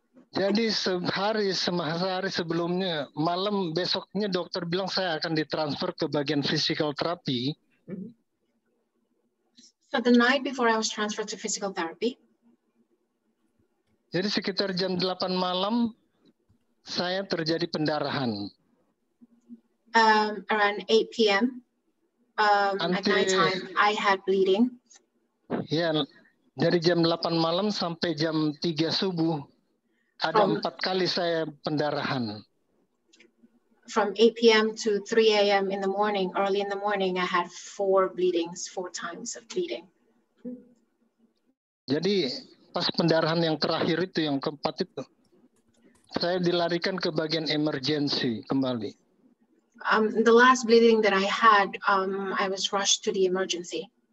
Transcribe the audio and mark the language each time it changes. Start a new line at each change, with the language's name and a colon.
Indonesian: Jadi sehari sebelumnya, malam besoknya dokter bilang saya akan ditransfer ke bagian physical therapy.
English: So the night before I was transferred to physical therapy.
Indonesian: Jadi sekitar jam 8 malam, saya terjadi pendarahan.
English: Around 8 p.m. Until, at night time, I had bleeding.
Indonesian: Ya, dari jam 8 malam sampai jam 3 subuh, ada 4 kali saya pendarahan.
English: From 8 p.m. to 3 a.m. in the morning, early in the morning, I had 4 bleedings, 4 times of bleeding.
Indonesian: Jadi pas pendarahan yang terakhir itu, yang keempat itu, saya dilarikan ke bagian emergency kembali.
English: The last bleeding that I had, I was rushed to the emergency.